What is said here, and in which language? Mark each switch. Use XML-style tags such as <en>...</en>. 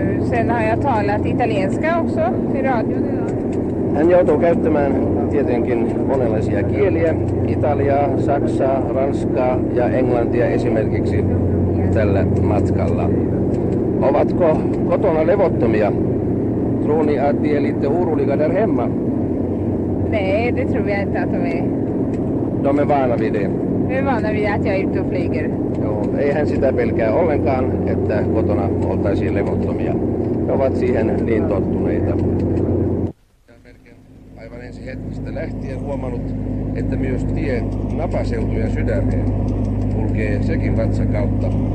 <sv>Sen har jag talat italienska också till radion idag.</sv> <fi>Hän joutuu käyttämään tietenkin monenlaisia kieliä, italiaa, saksaa, ranskaa ja englantia esimerkiksi tällä matkalla. Ovatko kotona levottomia?</fi> <sv>Tror ni att de är lite oroliga där hemma? Nej, det tror jag inte att de är. De är vana vid det. De är vana vid att jag är ute och flyger.</sv> <fi>Eihän sitä pelkää ollenkaan, että kotona oltaisiin levottomia. Ne ovat siihen niin tottuneita. Melkein aivan ensi hetkistä lähtien huomannut, että myös tie napaseutujen sydämeen kulkee sekin vatsan kautta.</fi>